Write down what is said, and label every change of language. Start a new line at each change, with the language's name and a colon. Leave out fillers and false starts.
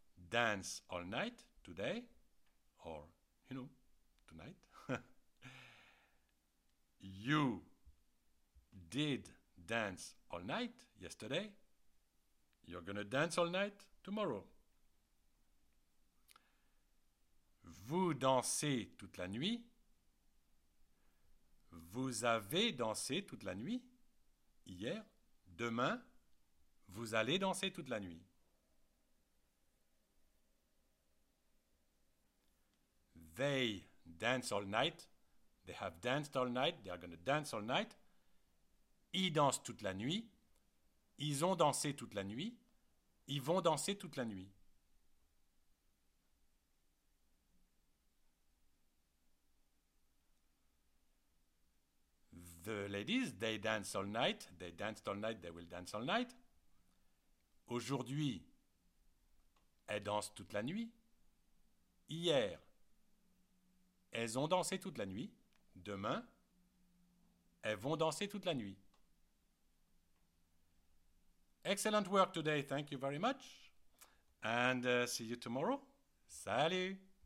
English: dance all night today, or, you know, tonight. You did dance all night yesterday. You're gonna dance all night tomorrow.
French: Vous dansez toute la nuit. Vous avez dansé toute la nuit hier. Demain, vous allez danser toute la nuit.
English: They dance all night. They have danced all night. They are going to dance all night.
French: Ils dansent toute la nuit. Ils ont dansé toute la nuit. Ils vont danser toute la nuit.
English: The ladies, they dance all night. They danced all night. They will dance all night.
French: Aujourd'hui, elles dansent toute la nuit. Hier, elles ont dansé toute la nuit. Demain, elles vont danser toute la nuit.
English: Excellent work today. Thank you very much. And see you tomorrow. Salut!